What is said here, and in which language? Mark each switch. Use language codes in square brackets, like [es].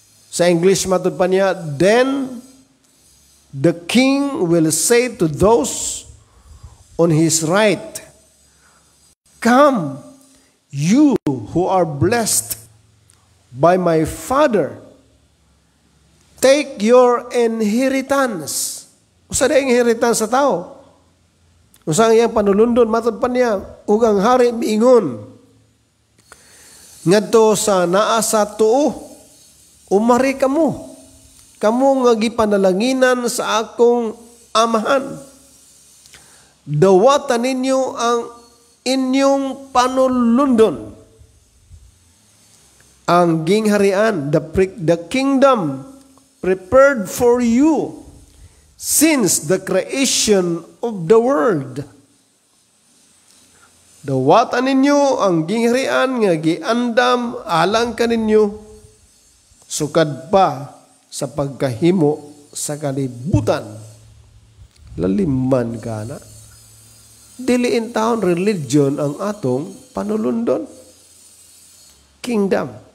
[ceb] Sa English matod pa niya, [en] then the king will say to those on his right, come, you who are blessed by my Father, take your inheritance. [ceb] Usa na ang inheritance sa tao. Usa ang iyang panulundon, matod pa niya, ugang hari, miingon. Ngadto sa naasa tuo, umari kamu. Kamu nga gipanalanginan sa akong amahan. Dawata ninyo ang inyong panulundon. Ang gingharian, [en] the kingdom prepared for you since the creation of the world. [ceb] Dawata ninyo ang gingharian nga giandam alang kaninyo sukad pa sa pagkahimo sa kalibutan. Laliman ka na. Diliin taon religion ang atong panulundon. Kingdom.